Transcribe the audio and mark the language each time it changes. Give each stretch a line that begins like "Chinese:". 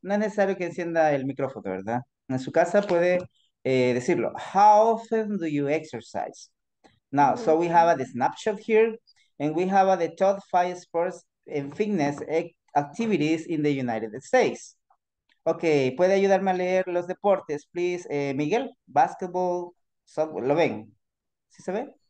Spanish: No es necesario que encienda el micrófono, ¿verdad? En su casa puede decirlo.
English: How often do you exercise? Now, so we have a the snapshot here, and we have a the top five sports and fitness activities in the United States.
Spanish: Okay, ¿puede ayudarme a leer los deportes, please? Miguel, basketball, softball, ¿lo ven? ¿Sí se ve?